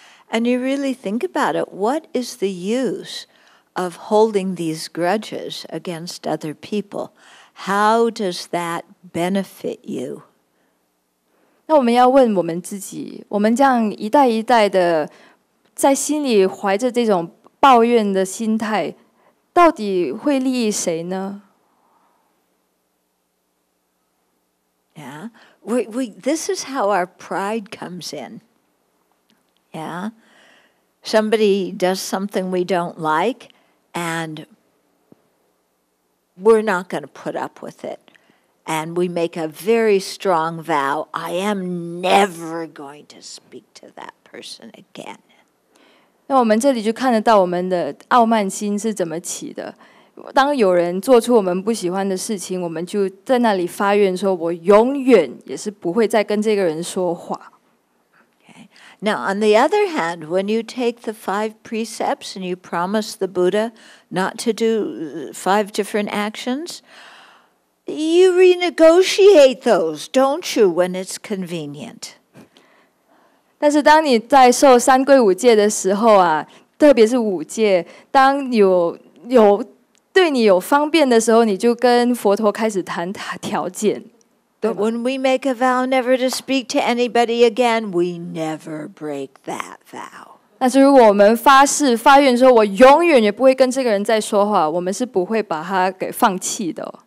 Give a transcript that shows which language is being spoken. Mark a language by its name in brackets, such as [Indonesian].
[English] And you really think about it, what is the use of holding these grudges against other people? How does that benefit you? [Chinese] 那我们要问我们自己，我们这样一代一代的在心里怀着这种抱怨的心态，到底会利益谁呢？ [English] Yeah, this is how our pride comes in. Yeah. Somebody does something we don't like, and we're not going to put up with it. And we make a very strong vow, I am never going to speak to that person again. [Chinese] 那我们这里就看得到我们的傲慢心是怎么起的。当有人做出我们不喜欢的事情，我们就在那里发愿说，我永远也是不会再跟这个人说话。 [English] Now, on the other hand, when you take the five precepts and you promise the Buddha not to do five different actions, you renegotiate those, don't you, when it's convenient? [Chinese] 但是当你在受三皈五戒的时候啊，特别是五戒，当有对你有方便的时候，你就跟佛陀开始谈条件。 [English] But when we make a vow never to speak to anybody again, we never break that vow. [Chinese] 但是如果我们发誓发愿说，我永远也不会跟这个人再说话，我们是不会把他给放弃的。